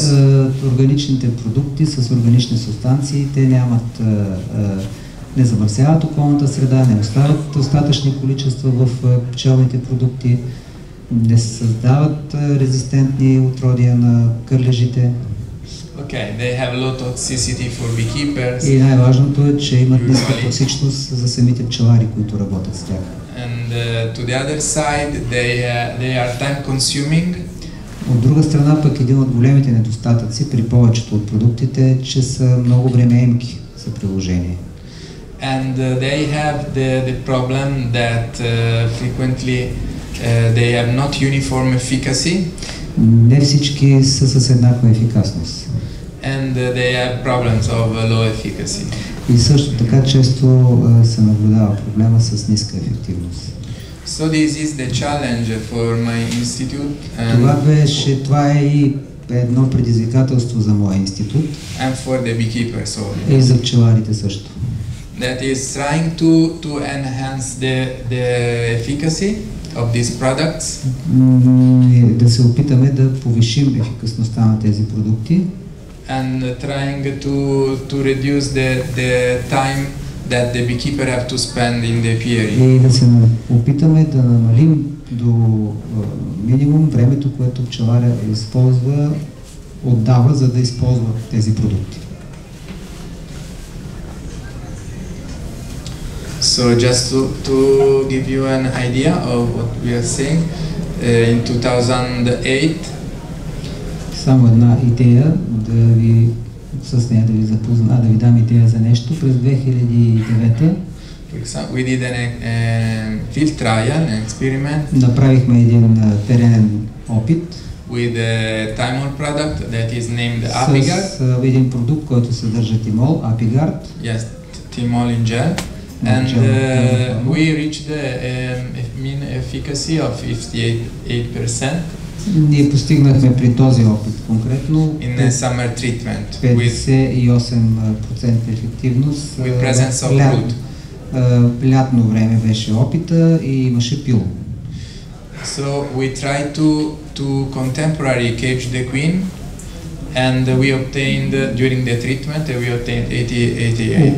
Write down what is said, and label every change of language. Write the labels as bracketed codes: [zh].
[bg] Както знаете, органичните продукти с органични субстанции, те нямат, не замърсяват околната среда, не оставят достатъчни количества в пчелните продукти, не създават резистентни отродия на кърлежите. [en] Okay, they have low toxicity for beekeepers. [bg] И най-важното е, че имат ниска токсичност за самите пчелари, които работят с тях. [en] And to the other side, they are time consuming. [bg] От друга страна, пък един от големите недостатъци при повечето от продуктите е, че са много времеемки за приложение. [en] And they have the problem that frequently they have not uniform efficacy. [bg] Не всички са с еднаква ефикасност. [en] And they have problems of low efficacy. [bg] И също така често се наблюдава проблема с ниска ефективност. [en] So this is the challenge for my institute. [bg] Това е и едно предизвикателство за моя институт. [en] And for the beekeepers also. [bg] И за пчеларите също. [en] That is trying to enhance the efficacy of these products. [bg] Да се опитаме да повишим ефикасността на тези продукти. [en] And trying to reduce the time that the beekeeper have to spend in the apiary. [bg] И да се опитаме да намалим до минимум времето, което пчеларя използва, отдава, за да използва тези продукти. [en] So just to give you an idea of what we are saying, in 2008. [bg] Само една идея да ви съсня, да ви запозна, да ви дам идея за нещо. През 2009. [en] We did a field trial, an experiment. [bg] Направихме един терен опит. [en] With a thymol product that is named Apigard. [bg] С един продукт, който съдържа тимол, Apigard. [en] Yes, тимол in gel. And we reached the mean efficacy of 58%. [bg] Ние постигнахме при този опит конкретно [en] in a summer treatment [bg] 58% ефективност [en] with presence of root. [bg] Лятно време беше опита и имаше пило. [en] So we tried to contemporary cage the queen. And we obtained during the treatment we obtained 88%.